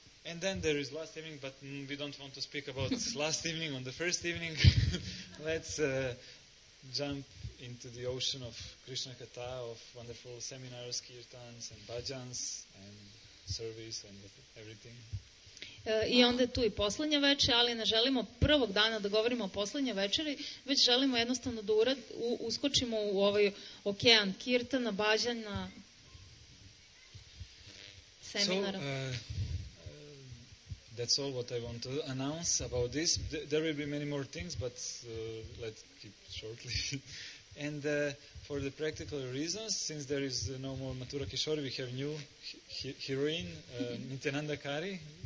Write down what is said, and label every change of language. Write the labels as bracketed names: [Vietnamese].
[English] And then there is last evening, but we don't want to speak about last evening on the first evening. Let's jump into the ocean of Krishna Katha, of wonderful seminars, kirtans and bhajans and service and everything. [Serbian] I onda je tu i poslednja večer, ali ne želimo prvog dana da govorimo o poslednjoj večeri, već želimo jednostavno da uskočimo u ovaj okean kirtana, bhajana, seminara. [English] That's all what I want to announce about this. There will be many more things, but let's keep shortly. And for the practical reasons, since there is no more Mathura Kishori, we have new heroine, Nityananda Kari.